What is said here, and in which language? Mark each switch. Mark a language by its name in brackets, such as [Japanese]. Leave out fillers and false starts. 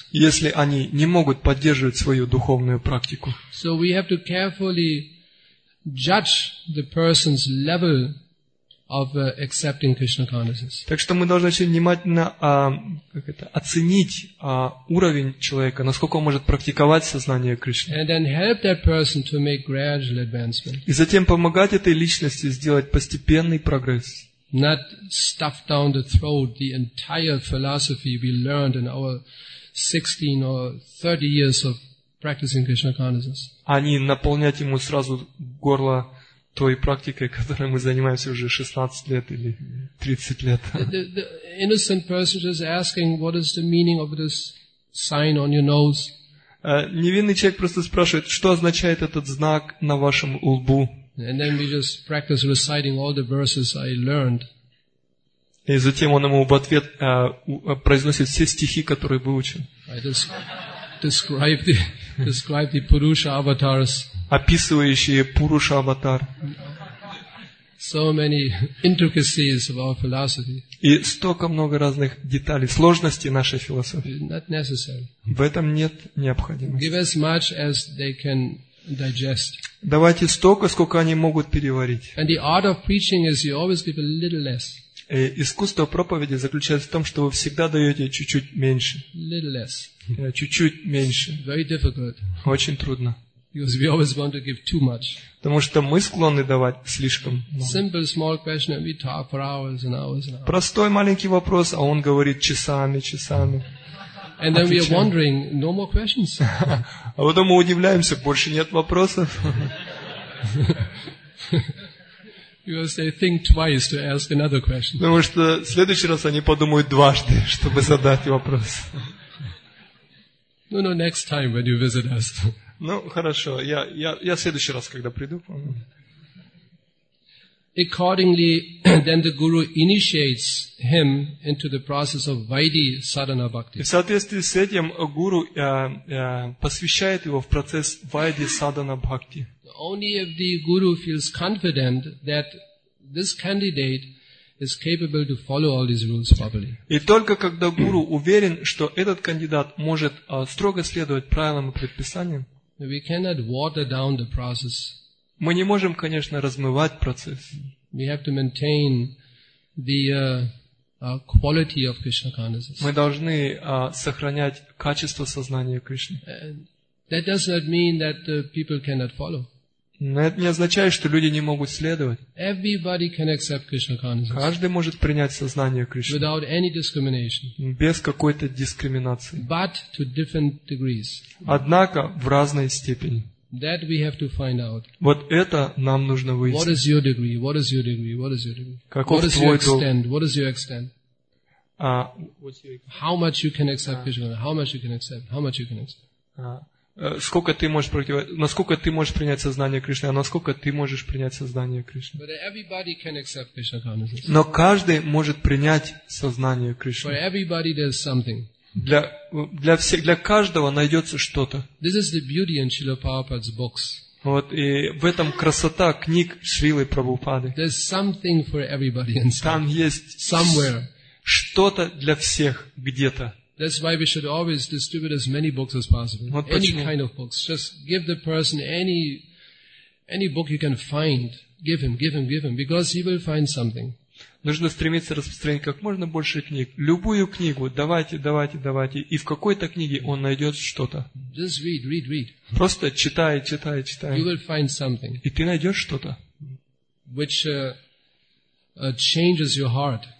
[Russian] Если они не могут поддерживать свою духовную практику. [English] So we have to carefully judge the person's level of accepting Krishna consciousness. [Russian] Так что мы должны очень внимательно оценить уровень человека, насколько он может практиковать сознание Кришны. [English] And then help that person to make gradual advancement. [Russian] И затем помогать этой личности сделать постепенный прогресс. [English] Not stuff down the throat the entire philosophy we learned in our 16 or 30 years of practicing Krishna consciousness. [Russian] А не наполнять ему сразу горло той практикой, которой мы занимаемся уже 16 лет или 30 лет. [English] The innocent person is asking, what is the meaning of this sign on your nose? [Russian] Невинный человек просто спрашивает, что означает этот знак на вашем лбу? [English] And then we just practice reciting all the verses I learned. [Russian] И затем он ему в ответ произносит все стихи, которые выучил. [English] I just describe the Purusha avatars. [Russian] Описывающие Пуруша-аватар. [English] so many intricacies of our philosophy. [Russian] И столько много разных деталей, сложностей нашей философии. [English] Not necessary. [Russian] В этом нет необходимости. [English] Give as much as they can digest. [Russian] Давайте столько, сколько они могут переварить. [English] And the art of preaching is you always give a little less. [Russian] И искусство проповеди заключается в том, что вы всегда даете чуть-чуть меньше. [English] Little less. [Russian] Чуть-чуть меньше. [English] Very difficult. [Russian] Очень трудно. [English] Because we always want to give too much. [Russian] Потому что мы склонны давать слишком много. [English] Simple, small question, and we talk for hours and hours and hours. [Russian] Простой маленький вопрос, а он говорит часами, часами. [English] And then we are wondering, no more questions. [Russian] А потом мы удивляемся, больше нет вопросов. [English] Because they think twice to ask another question. [Russian] Потому что в следующий раз они подумают дважды, чтобы задать вопрос. [English] No, next time when you visit us. [Russian] Ну, хорошо. Я в следующий раз, когда приду, помню. [English] Accordingly, then the guru initiates him into the process of Vaidhi Sadhana Bhakti. [Russian] В соответствии с этим, гуру посвящает его в процесс Vaidhi Sadhana Bhakti. [English] Only if the guru feels confident that this candidate is capable to follow all these rules properly. [Russian] И только когда гуру уверен, что этот кандидат может строго следовать правилам и предписаниям, [English] we cannot water down the process. [Russian] Мы не можем, конечно, размывать процесс. [English] We have to maintain the quality of Krishna consciousness. [Russian] Мы должны сохранять качество сознания Кришны. [English] That does not mean that people cannot follow. [Russian] Но это не означает, что люди не могут следовать. [English] Everybody can accept Krishna consciousness. [Russian] Каждый может принять сознание Кришны. [English] Without any discrimination. [Russian] Без какой-то дискриминации. [English] But to different degrees. [Russian] Однако в разной степени. [English] That we have to find out. [Russian] Вот это нам нужно выяснить. [English] What is your degree? What is your degree? What is your degree? [Russian] Каков твой уровень? [English] What is your extent? What is your extent? How much you can accept Krishna? How much you can accept? How much you can accept? [Russian] Сколько ты можешь насколько ты можешь принять сознание Кришны, а насколько ты можешь принять сознание Кришны? [English] But everybody can accept Krishna consciousness. [Russian] Но каждый может принять сознание Кришны. [English] For everybody there's something. [Russian] Для каждого найдется что-то. [English] This is the beauty in Srila Prabhupada's books. [Russian] Вот и в этом красота книг Шрилы Прабхупады. [English] There's something for everybody inside. [Russian] Там есть [English] somewhere [Russian] что-то для всех где-то. [English] That's why we should always distribute as many books as possible. [Russian] Вот [English] any kind of books. Just give the person any book you can find. Give him. Because he will find something. [Russian] Нужно стремиться распространить как можно больше книг. Любую книгу давайте. И в какой-то книге он найдет что-то. [English] Just read. [Russian] Просто читай. [English] You will find something. [Russian] И ты найдешь что-то. [English] Which changes your heart.